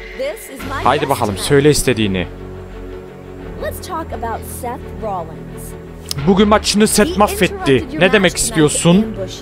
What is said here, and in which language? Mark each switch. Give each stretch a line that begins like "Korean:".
English: This is my
Turkish: Haydi bakalım söyle istediğini.
English: Let's talk about Seth Rollins.
Turkish: Bugün maçını Seth mahvetti. Ne demek istiyorsun?